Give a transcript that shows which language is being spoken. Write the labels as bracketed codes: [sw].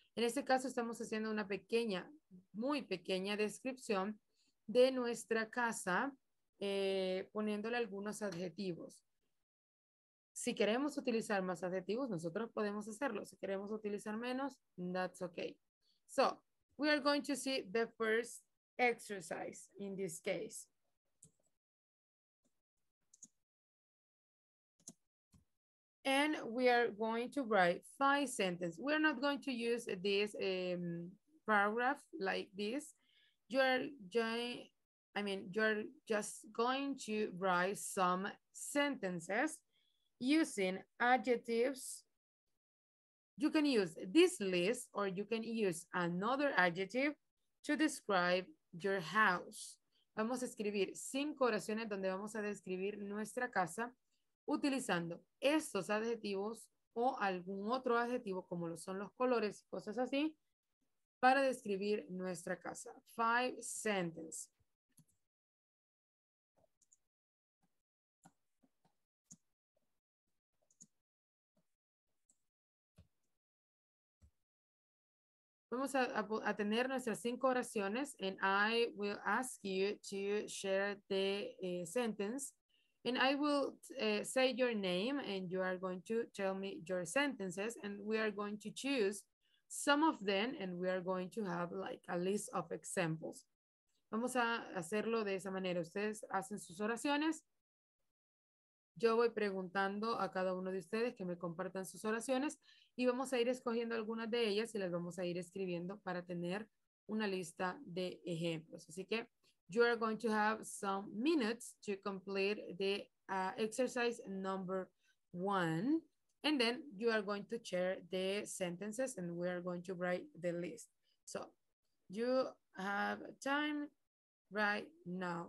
[es] En este caso estamos haciendo una pequeña, muy pequeña descripción de nuestra casa, poniéndole algunos adjetivos. Si queremos utilizar más adjetivos, nosotros podemos hacerlo. Si queremos utilizar menos, [en] that's okay. So, we are going to see the first exercise in this case. And we are going to write 5 sentences. We're not going to use this paragraph like this. You're just going to write some sentences using adjectives. You can use this list or you can use another adjective to describe your house. [es] Vamos a escribir 5 oraciones donde vamos a describir nuestra casa utilizando estos adjetivos o algún otro adjetivo como lo son los colores y cosas así para describir nuestra casa. [en] 5 sentences. [es] Vamos a tener nuestras 5 oraciones [en] and I will ask you to share the sentence and I will say your name and you are going to tell me your sentences and we are going to choose some of them and we are going to have like a list of examples. [es] Vamos a hacerlo de esa manera. Ustedes hacen sus oraciones. Yo voy preguntando a cada uno de ustedes que me compartan sus oraciones y vamos a ir escogiendo algunas de ellas y las vamos a ir escribiendo para tener una lista de ejemplos. Así que [en] you are going to have some minutes to complete the exercise number 1 and then you are going to share the sentences and we are going to write the list. So you have time right now.